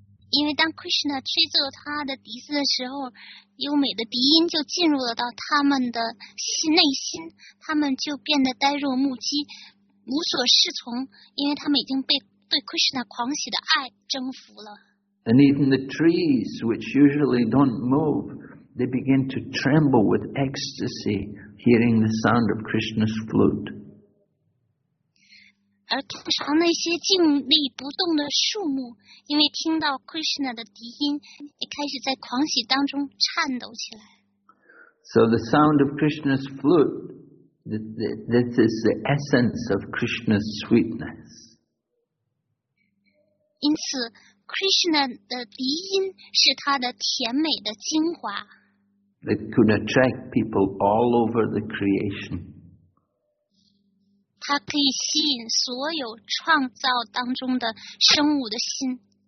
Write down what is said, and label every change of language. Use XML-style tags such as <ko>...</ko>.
<zh>因为当 Krishna 吹奏他的笛子的时候，优美的笛音就进入了到他们的内心，他们就变得呆若木鸡，无所适从，因为他们已经被对 Krishna 狂喜的爱征服了。</zh> <en>And even the trees, which usually don't move, they begin to tremble with ecstasy, hearing the sound of Krishna's flute.</en> <zh>而通常那些静立不动的树木，因为听到 Krishna 的笛音，也开始在狂喜当中颤抖起来。</zh> <en>So the sound of Krishna's flute, this is the essence of Krishna's sweetness.</en> <zh>因此 ，Krishna 的笛音是他的甜美的精华。</zh> <en>It could attract people all over the creation.</en> <zh>它可以吸引所有创造当中的生物的心。</zh>